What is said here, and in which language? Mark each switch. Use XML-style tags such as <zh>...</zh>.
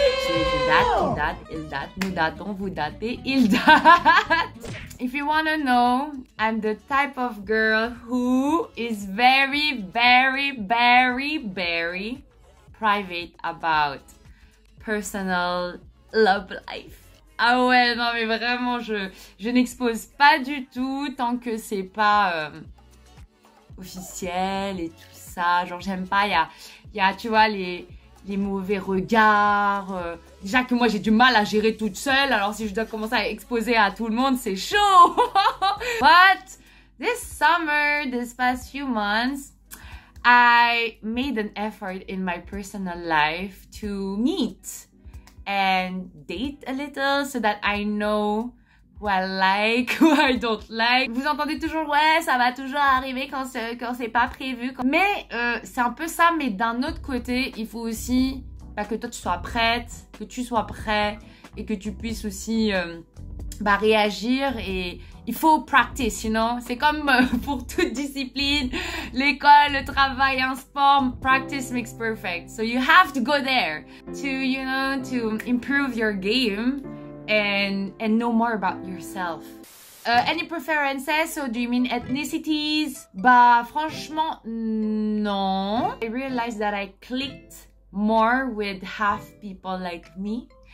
<fr>Il date, il date, nous datons, vous datez, il date.</fr> <en>If you want to know, I'm the type of girl who is very, very, very, very private about personal love life.</en> <fr>Ah ouais, non mais vraiment, je n'expose pas du tout tant que c'est pas officiel et tout ça. Genre, j'aime pas, il y a, tu vois, les mauvais regards. Déjà que moi j'ai du mal à gérer toute seule, alors si je dois commencer à exposer à tout le monde, c'est chaud.</fr> <en>But this summer, this past few months, I made an effort in my personal life to meet and date a little so that I know who I like, who I don't like.</en> <fr>Vous entendez toujours, ouais, ça va toujours arriver quand c'est pas prévu. Mais c'est un peu ça, mais d'un autre côté, il faut aussi bah, que toi tu sois prête, que tu sois prêt et que tu puisses aussi bah, réagir. Et il faut</fr> <en>practice, you know?</en> <fr>C'est comme pour toute discipline, l'école, le travail, un sport,</fr> <en>practice makes perfect. So you have to go there to, you know, to improve your game. And know more about yourself. Any preferences? So do you mean ethnicities?</en> <fr>Bah, franchement, non.</fr> <en>I realized that I clicked more with half people like me.</en>